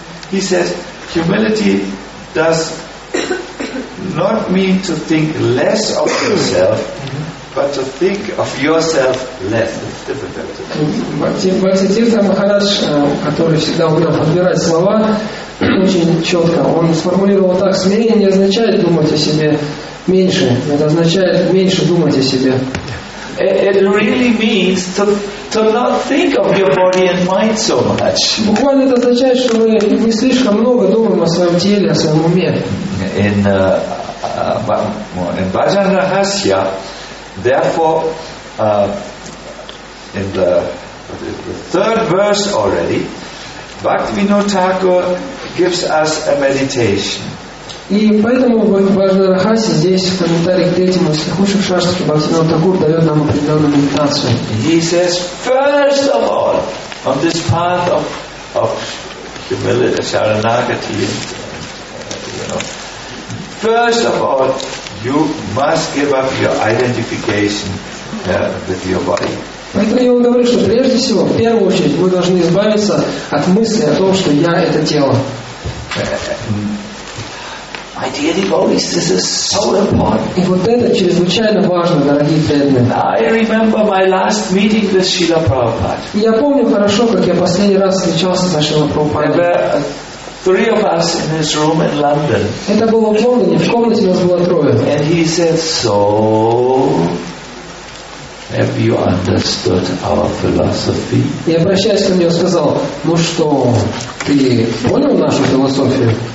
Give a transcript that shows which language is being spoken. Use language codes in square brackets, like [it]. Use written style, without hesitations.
[en] He says, humility does not mean to think less of yourself, but to think of yourself less. [ru] Бхактивинода Махарадж, который всегда умел подбирать слова, очень четко, он сформулировал так, смирение не означает думать о себе меньше, это означает меньше думать о себе. [en] It really means to not think of your body and mind so much. [ru] Буквально это означает, что мы не слишком много думаем о своем теле, о своем уме. [en] In Bhajan Rahasya, therefore, in the third verse already, Bhaktivinoda Thakur gives us a meditation. [ru] И поэтому Бхагавад Рахаси здесь в комментарии к третьему из лучших шастр Бхактивинода Тхакур дает нам определенную медитацию. [en] He says, first of all, on this path of humility, Sharanagati, first of all, you must give up your identification with your body. [ru] Поэтому я вам говорю, что прежде всего, в первую очередь, вы должны избавиться от мысли о том, что я это тело. [en] My dear devotees, this is so important. [ru] И вот это чрезвычайно важно, дорогие преданные. [en] I remember my last meeting with Srila Prabhupada. [ru] Я помню хорошо, как я последний раз встречался с Шрилой Прабхупадой. [en] There were three of us in his room in London. [ru] Это было в Лондоне, в комнате нас было трое. [en] And he said, so have you understood our philosophy? [ru] И обращаясь ко мне, он сказал, ну что, ты понял нашу философию?